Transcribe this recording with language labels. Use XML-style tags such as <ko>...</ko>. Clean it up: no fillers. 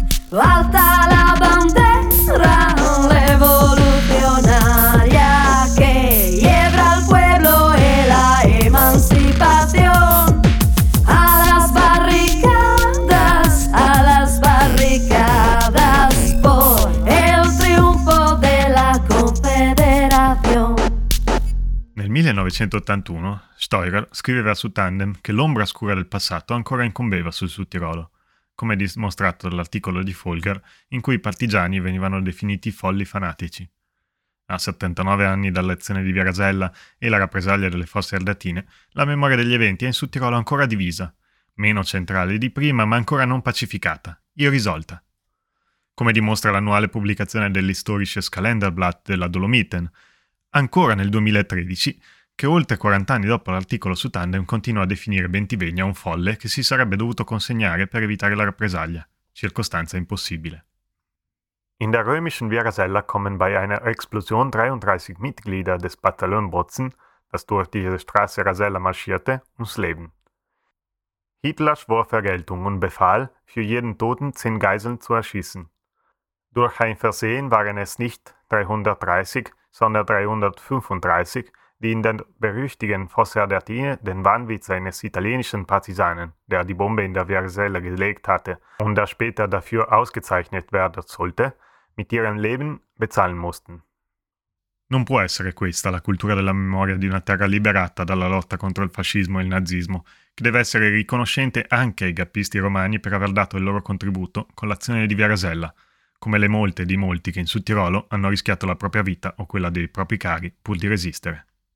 <es>Alta la bandera revolucionaria que lleva al pueblo en la emancipación. A las barricadas por el triunfo de la confederación.</es> <it>Nel 1981, Steurer scriveva su Tandem che l'ombra scura del passato ancora incombeva sul Sud Tirolo, come dimostrato dall'articolo di Folger in cui i partigiani venivano definiti folli fanatici. A 79 anni dall'azione di Via Rasella e la rappresaglia delle fosse ardeatine, la memoria degli eventi è in Sud Tirolo ancora divisa, meno centrale di prima ma ancora non pacificata, irrisolta. Come dimostra l'annuale pubblicazione dell'Historisches Kalenderblatt della Dolomiten, ancora nel 2013, che oltre 40 anni dopo l'articolo su Tandem continua a definire Bentivegna un folle che si sarebbe dovuto consegnare per evitare la rappresaglia, circostanza impossibile.</it> <de>In der römischen Via Rasella kommen bei einer Explosion 33 Mitglieder des Bataillon Bozen, das durch diese Straße Rasella marschierte, ums Leben. Hitler schwor Vergeltung und befahl, für jeden Toten 10 Geiseln zu erschießen. Durch ein Versehen waren es nicht 330, sondern 335, die in der berüchtigten Fosse Ardeatine den Wahnwitz eines italienischen Partisanen, der die Bombe in der Via Rasella gelegt hatte und der später dafür ausgezeichnet werden sollte, mit ihrem Leben bezahlen mussten.</de> <it>Non può essere questa la cultura della memoria di una terra liberata dalla lotta contro il fascismo e il nazismo, che deve essere riconoscente anche ai gappisti romani per aver dato il loro contributo con l'azione di Via Rasella, come le molte di molti che in Sud Tirolo hanno rischiato la propria vita o quella dei propri cari pur di resistere.</it>